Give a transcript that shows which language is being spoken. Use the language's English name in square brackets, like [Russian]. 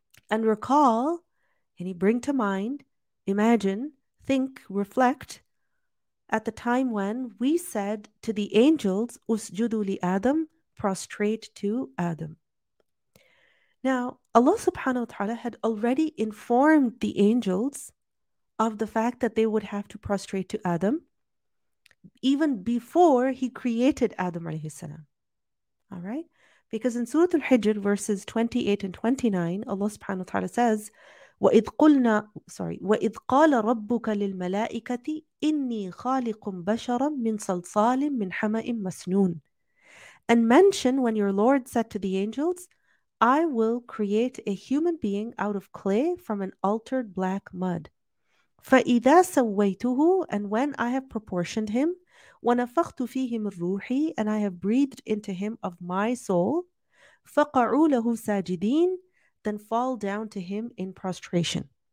[English] And recall, and bring to mind, imagine, think, reflect, at the time when we said to the angels, [Arabic] اسْجُدُوا لِآدَمَ, [English] prostrate to Adam. Now, Allah subhanahu wa ta'ala had already informed the angels of the fact that they would have to prostrate to Adam even before he created Adam alayhi salam. All right? Because in Surah Al-Hijr, verses 28 and 29, Allah subhanahu wa ta'ala says, [Arabic] وَإِذْ قَالَ رَبُّكَ لِلْمَلَائِكَةِ إِنِّي خَالِقٌ بَشَرًا مِنْ صَلْصَالٍ مِنْ حَمَإٍ مَسْنُونٍ. [English] And mention when your Lord said to the angels, I will create a human being out of clay from an altered black mud. [Arabic] فَإِذَا سَوَّيْتُهُ, [English] and when I have proportioned him, [Arabic] وَنَفَخْتُ فِيهِ مِنْ رُوحِي, [English] and I have breathed into him of my soul, [Arabic] فَقَعُوا لَهُ سَاجِدِينَ, [English] then fall down to him in prostration.